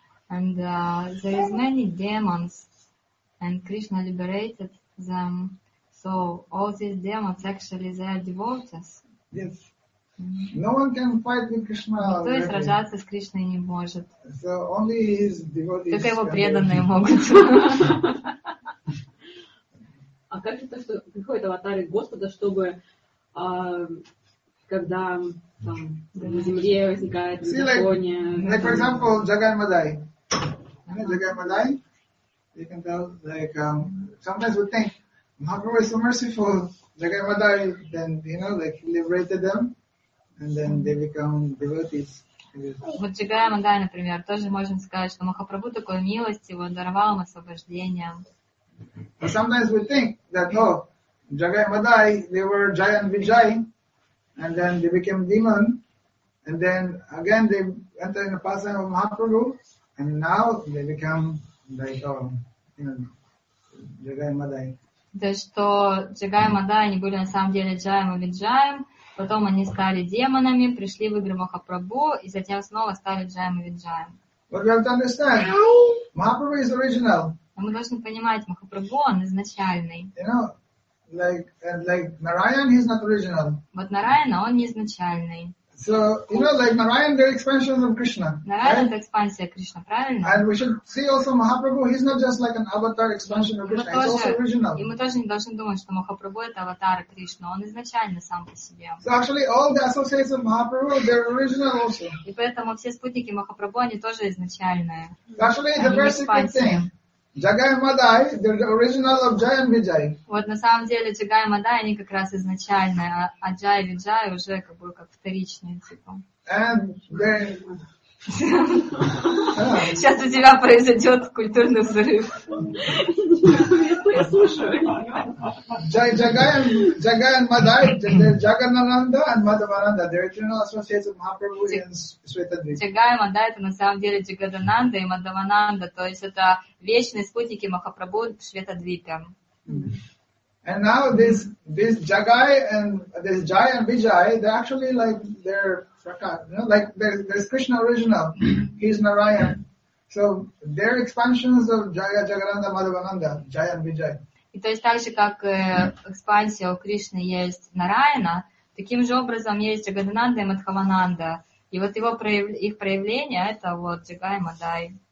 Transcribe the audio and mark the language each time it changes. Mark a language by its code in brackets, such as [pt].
[en] And there is many demons, and Krishna liberated them. So all these demons actually they are devotees. Yes. No one can fight with Krishna. [ru] Никто сражаться с Кришной не может. [en] So only his devotees. [ru] Только его преданные могут. А как это, что приходит аватары Господа, чтобы когда там на земле возникает беззаконие? [en] Like for example, Jagan Madai. Jagan Madai. You can tell like sometimes we think Mahaprabhu is so merciful. Jagan Madai then you know like liberated them. And then they become devotees. [ru] Вот Джигая Мадай, например, тоже можно сказать, что Махапрабху такой милости, он даровал им освобождение. [en] But sometimes we think that, oh, Джигая Мадай, they were giant Vijay, and then they became demon, and then again they enter in the pastime of Mahaprabhu, and now they become like, Джигая Мадай. [ru] То есть, что Джигая Мадай, они были на самом деле Джаем и Виджаем, потом они стали демонами, пришли в игры Махапрабху, и затем снова стали Джаем и Виджаем. [en] But we have to understand, Махапрабху is original. [ru] А мы должны понимать, Махапрабху, он изначальный. [en] You know, like Narayan, he's not original. [ru] Вот Нараяна, он не изначальный. [en] So, you know, like Narayan, the expansion of Krishna. [ru] Narayan, [en] right? [ru] Это экспансия Кришна, правильно? [en] And we should see also Mahaprabhu, he's not just like an avatar expansion of Krishna, he's also original. [ru] И мы тоже не должны думать, что Махапрабху это аватар Кришна, он изначально сам по себе. [en] So actually all the associates of Mahaprabhu, they're original also. [ru] И поэтому все спутники Махапрабху, они тоже изначальные. [en] So actually the very secret thing. Jagai Madai, they're the original of Jai and Vijay. [ru] Вот на самом деле Jagai Madai, они как раз изначальные, а Jai и Vijay уже как вторичные типа. [en] And then [ru] сейчас у тебя произойдет культурный взрыв. Я слушаю. [en] Jagai and Madai, Jagannananda and Madhavananda, they're eternal associates of Mahaprabhu and Svetadvipa. [ru] Jagai and Madai, это на самом деле Jagannananda и Madhavananda, то есть это вечные спутники Махапрабху в Светодвипе. [en] And now this Jagai and this Jai and Vijay, they're actually like they're Prakash, you know, like there's Krishna original, he's Narayan. So they're expansions of Jaya Jagananda Madhavananda, Jaya and Vijay. [ru] И то есть так же, как экспансия у Кришны есть Нараяна, таким же образом есть Джагадананда и Мадхавананда. И вот его их проявление это вот Джагай Мадай.